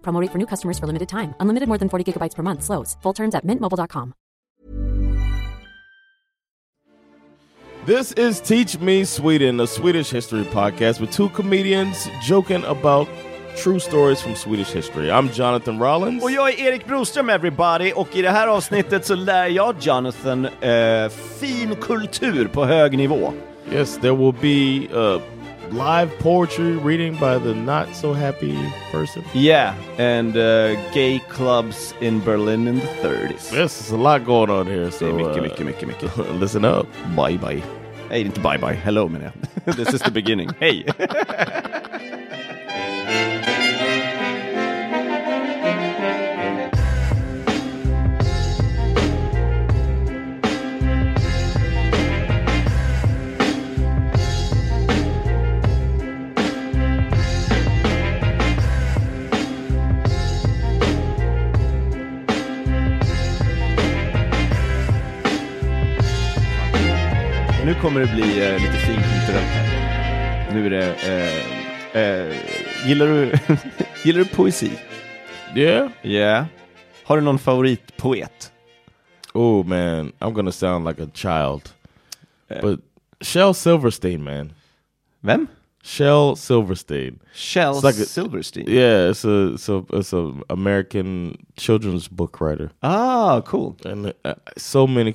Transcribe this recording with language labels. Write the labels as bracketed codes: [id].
[en] Promo rate for new customers for limited time. Unlimited more than 40 gigabytes per month slows. Full terms at mintmobile.com. This is Teach Me Sweden, a Swedish history podcast with two comedians joking about true stories from Swedish history. I'm Jonathan Rollins. [sv] Och jag är Erik Broström, everybody. Och i det här avsnittet så lär jag Jonathan fin kultur på hög nivå. [en] Yes, there will be live poetry reading by the not so happy person. Yeah, and gay clubs in Berlin in the 30s. Yes, there's a lot going on here, so listen up. Bye bye. Hey, inte bye bye. Hello, man. This is the beginning. Hey. [sv] Nu kommer det bli lite fint runt här. Nu är det gillar du poesi? [en] Yeah. Yeah. [sv] Har du någon favoritpoet? [en] Oh man, I'm gonna sound like a child. But Shel Silverstein, man. [sv] Vem? [en] Shel Silverstein. Shel like Silverstein. Yeah, it's a American children's book writer. Ah, cool. And so many.